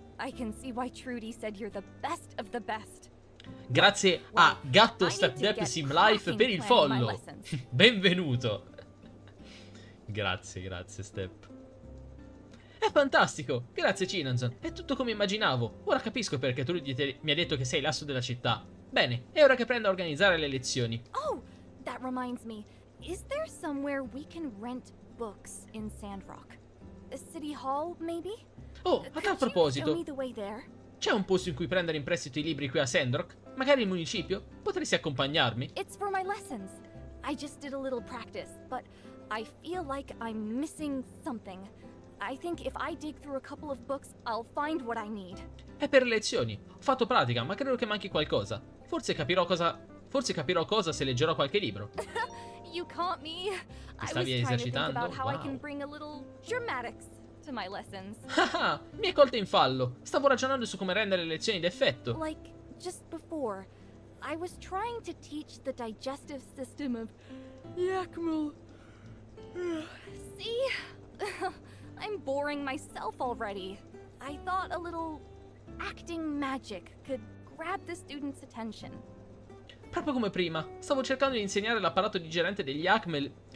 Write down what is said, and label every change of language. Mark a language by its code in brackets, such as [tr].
[en] I can see why Trudy said you're the best of the best. [it] Grazie a Gatto Stepdep Sim Life per il follow. Benvenuto. Grazie Step. È fantastico. Grazie Cinanzon. È tutto come immaginavo. Ora capisco perché tu mi hai detto che sei l'asso della città. Bene, è ora che prendo a organizzare le lezioni. [en] Oh, that reminds me. Is there somewhere we can rent books in Sandrock? A city hall, maybe? [it] Oh, a tal proposito. C'è un posto in cui prendere in prestito i libri qui a Sandrock? Magari il municipio? Potresti accompagnarmi? [en] It's for my lessons. I just did a little practice, but I feel like I'm missing something. I think if I dig through a couple of books, I'll find what I need. [it] È per le lezioni. Ho fatto pratica, ma credo che manchi qualcosa. Forse capirò cosa se leggerò qualche libro. [en] You caught me. [it] Ti stavi esercitando? [en] Wow. I can bring a little dramatics to my lessons. [it] Mi hai colto in fallo. Stavo ragionando su come rendere le lezioni d'effetto. [en] Like just before, I was trying to teach the digestive system of Yakmul. See? I'm boring myself already. I thought a little acting magic could grab the student's attention. [it] Proprio come prima, stavo cercando di insegnare l'apparato digerente degli Yakmul.